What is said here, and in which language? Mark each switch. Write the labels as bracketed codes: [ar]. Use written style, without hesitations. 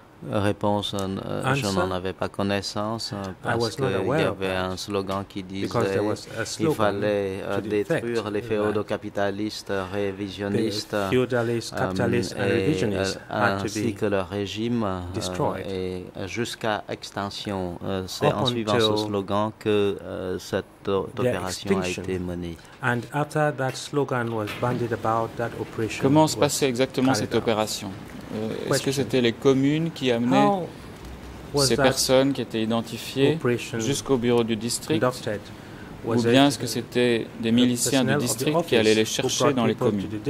[fr] Réponse, je n'en avais pas connaissance parce qu'il y avait un slogan qui disait qu'il fallait détruire les féodaux capitalistes révisionnistes ainsi que leur régime et jusqu'à extinction. C'est en suivant ce slogan que cette opération a été menée. [en] And after that slogan was bandied about, that operation. [fr] Comment se passait exactement cette opération? Est-ce que c'était les communes qui amenaient ces personnes qui étaient identifiées jusqu'au bureau du district, ou bien est-ce que c'était des miliciens du district qui allaient les chercher dans les communes?